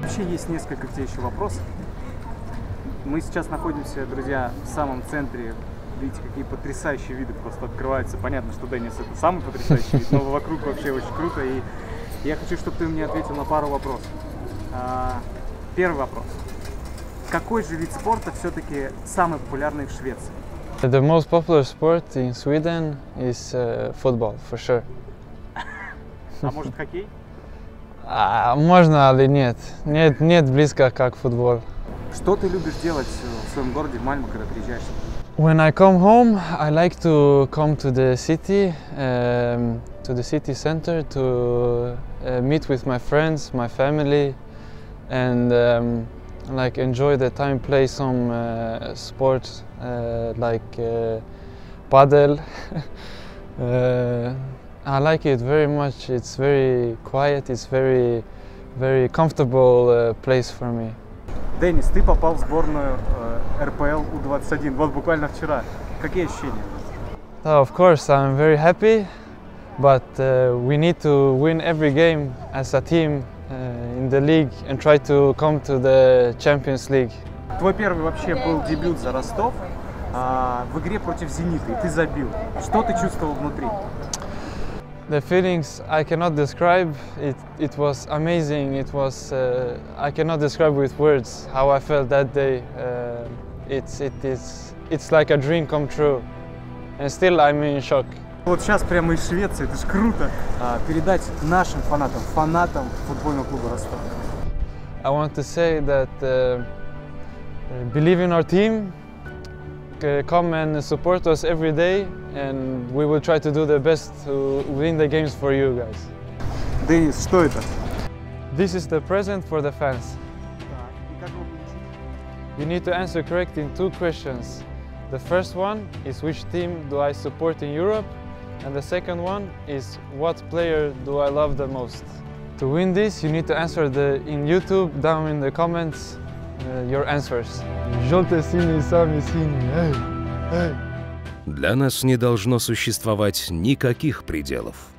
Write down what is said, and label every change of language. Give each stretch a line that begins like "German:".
Russian: Есть несколько тебе еще вопросов. Мы сейчас находимся, друзья, в самом центре. Видите, какие потрясающие виды просто открываются. Понятно, что Денис — это самый потрясающий вид, но вокруг вообще очень круто. И я хочу, чтобы ты мне ответил на пару вопросов. Первый вопрос. Какой же вид спорта все-таки самый популярный в Швеции?
English: The most popular sport in Sweden is football, for sure.
Russian: А может хоккей? А можно или нет? Нет, нет, близко как футбол. Что ты любишь делать в своем городе Мальмо, когда приезжаешь?
English: When I come home, I like to come to the city, to the city center, to meet with my friends, my family, and like enjoy the time, play some sports like paddle. I like it very much. It's very quiet. It's very, very comfortable place for me.
Russian: Денис, ты попал в сборную РПЛ U21 вот буквально вчера. Какие ощущения?
English: Oh, of course, I'm very happy. But we need to win every game as a team in the league and try to come to the Champions League.
Russian: Твой первый вообще был дебют за Ростов в игре против Зенита, и ты забил. Что ты чувствовал внутри?
English: The feelings I cannot describe. It was amazing. It was I cannot describe with words how I felt that day. It's like a dream come true. And still I'm in shock.
Russian: Вот сейчас прямо из Швеции. Это ж круто. Передать нашим фанатам, фанатам футбольного клуба Ростов.
English: I want to say that believe in our team. Come and support us every day, and we will try to do the best to win the games for you guys. Денис, что это? This is the present for the fans. You need to answer correct in two questions. The first one is which team do I support in Europe, and the second one is what player do I love the most. To win this, you need to answer the in YouTube down in the comments. Your answers.
Russian: Желтые, синие, сами синие. Для нас не должно существовать никаких пределов.